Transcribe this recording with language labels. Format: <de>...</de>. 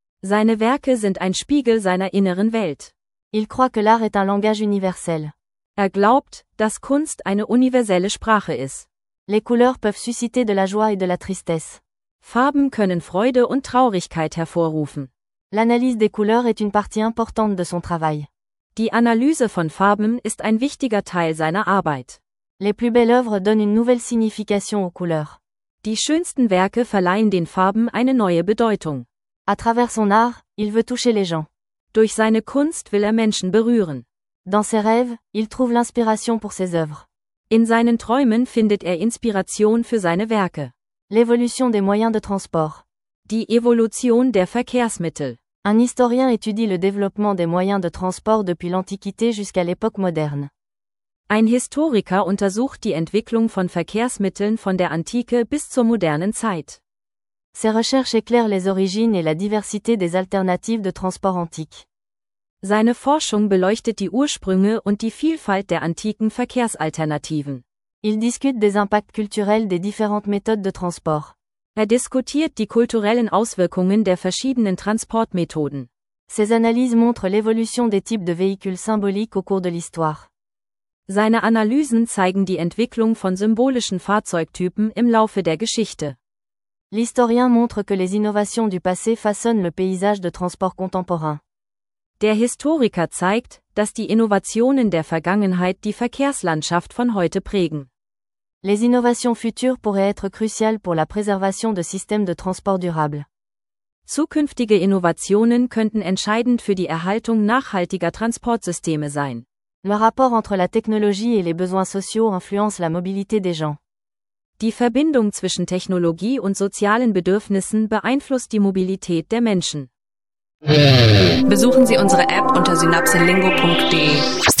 <de>Seine Werke sind ein Spiegel seiner inneren Welt.</de> <fr>Il croit que l'art est un langage universel.</fr> <de>Er glaubt, dass Kunst eine universelle Sprache ist.</de> <fr>Les couleurs peuvent susciter de la joie et de la tristesse.</fr> <de>Farben können Freude und Traurigkeit hervorrufen.</de> <fr>L'analyse des couleurs est une partie importante de son travail.</fr> <de>Die Analyse von Farben ist ein wichtiger Teil seiner Arbeit.</de> <fr>Les plus belles œuvres donnent une nouvelle signification aux couleurs.</fr> <de>Die schönsten Werke verleihen den Farben eine neue Bedeutung.</de> <fr>À travers son art, il veut toucher les gens.</fr> <de>Durch seine Kunst will er Menschen berühren.</de> <fr>Dans ses rêves, il trouve l'inspiration pour ses œuvres.</fr> <de>In seinen Träumen findet er Inspiration für seine Werke.</de> <fr>L'évolution des moyens de transport.</fr> <de>Die Evolution der Verkehrsmittel.</de> <fr>Un historien étudie le développement des moyens de transport depuis l'Antiquité jusqu'à l'époque moderne.</fr> <de>Ein Historiker untersucht die Entwicklung von Verkehrsmitteln von der Antike bis zur modernen Zeit.</de> <fr>Ses recherches éclairent les origines et la diversité des alternatives de transport antiques.</fr> <de>Seine Forschung beleuchtet die Ursprünge und die Vielfalt der antiken Verkehrsalternativen.</de> <fr>Il discute des impacts culturels des différentes méthodes de transport.</fr> <de>Er diskutiert die kulturellen Auswirkungen der verschiedenen Transportmethoden.</de> <fr>Ses analyses montrent l'évolution des types de véhicules symboliques au cours de l'histoire.</fr> <de>Seine Analysen zeigen die Entwicklung von symbolischen Fahrzeugtypen im Laufe der Geschichte.</de> <fr>L'historien montre que les innovations du passé façonnent le paysage de transport contemporain.</fr> <de>Der Historiker zeigt, dass die Innovationen der Vergangenheit die Verkehrslandschaft von heute prägen.</de> <fr>Les innovations futures pourraient être cruciales pour la préservation de systèmes de transport durable.</fr> <de>Zukünftige Innovationen könnten entscheidend für die Erhaltung nachhaltiger Transportsysteme sein.</de> <fr>Le rapport entre la technologie et les besoins sociaux influence la mobilité des gens.</fr> <de>Die Verbindung zwischen Technologie und sozialen Bedürfnissen beeinflusst die Mobilität der Menschen. Besuchen Sie unsere App unter synapsenlingo.de.</de>